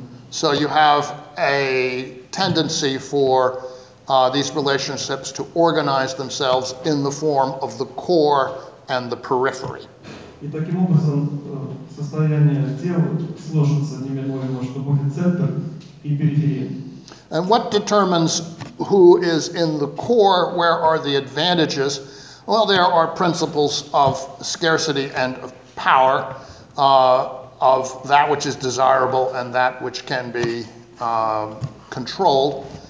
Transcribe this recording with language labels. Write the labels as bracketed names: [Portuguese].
[English] So you have a tendency for these relationships to organize themselves in the form of the core and the periphery. [Russian] И таким образом состояние тел сложится неминуемо, что будет центр и периферия. [English] And what determines who is in the core? Where are the advantages? Well, there are principles of scarcity and of power, of that which is desirable and that which can be controlled.